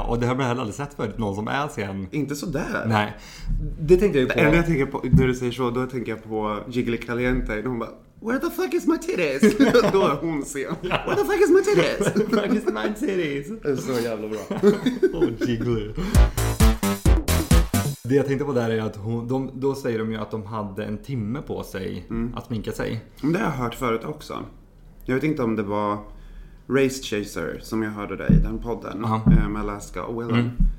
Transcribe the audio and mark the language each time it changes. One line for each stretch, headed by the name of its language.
Swedish: Och det har man heller aldrig sett förut. Någon som är sen. Inte så där. Nej. Det tänkte jag på. Eller jag tänker på, när du säger så, då tänker jag på Jiggly Caliente. Och hon bara,
English: where the fuck is my titties?
Swedish: Då är hon sen.
English: Yeah. Where the fuck is my titties? Where the fuck is my titties?
Swedish: Det är så jävla bra.
English: Oh, Jiggly.
Swedish: Det jag tänkte på där är att då säger de ju att de hade en timme på sig att sminka sig. Det har jag hört förut också. Jag vet inte om det var Race Chaser som jag hörde dig i den podden med Alaska och Willem.